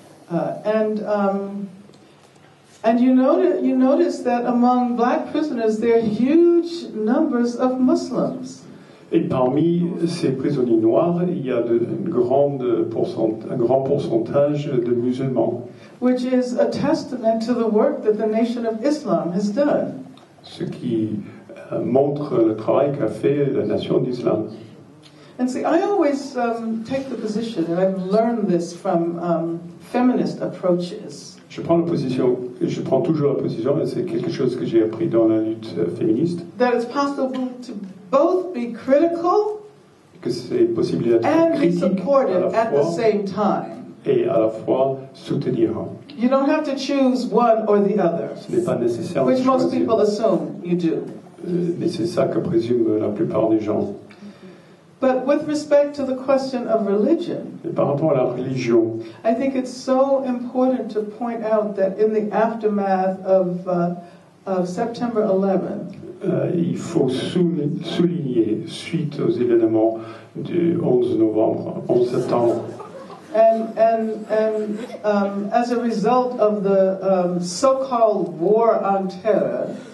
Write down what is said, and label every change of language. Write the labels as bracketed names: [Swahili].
[English] And you notice that among black prisoners there are huge numbers of Muslims. [French] Et parmi ces prisonniers noirs, il y a un grand pourcentage de musulmans. [English] Which is a testament to the work that the Nation of Islam has done. [French] Ce qui montre le travail qu'a fait la Nation d'Islam. [English] And see, I always take the position, and I've learned this from feminist approaches. [French] Je prends toujours la position, et c'est quelque chose que j'ai appris dans la lutte féministe. [English] That it's possible to both be critical [French] que c'est possible d'être [English] and [French] critique [English] be supportive at the same time. [French] Et à la fois soutenir. [English] You don't have to choose one or the other. [French] Ce n'est pas nécessaire [English] which [French] de choisir. [English] Most people assume you do. [French] Mais c'est ça que présument la plupart des gens. [English] But with respect to the question of religion, [French] et par rapport à la religion, [English] I think it's so important to point out that in the aftermath of September 11, [French] il faut souligner suite aux événements du 11 septembre, [English] and as a result of the so-called war on terror,